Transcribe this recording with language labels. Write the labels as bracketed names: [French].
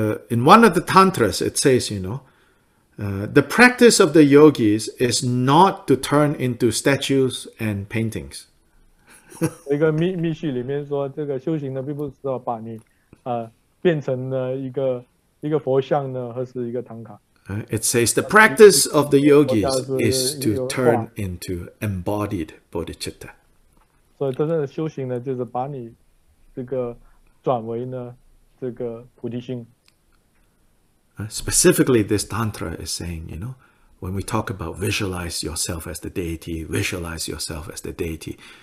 [English] In one of the tantras, it says, you know, the practice of the yogis is not to turn into statues and paintings. [Chinese] 一个密续里面说，这个修行呢，并不是说把你变成了一个。一个佛像呢，或是一个唐卡。 [English] It says the practice of the yogis is to turn into embodied bodhicitta. [Chinese] 所以真正的修行呢，就是把你这个转为呢，这个菩提心。 [English] Specifically, this tantra is saying, you know, when we talk about visualize yourself as the deity, visualize yourself as the deity.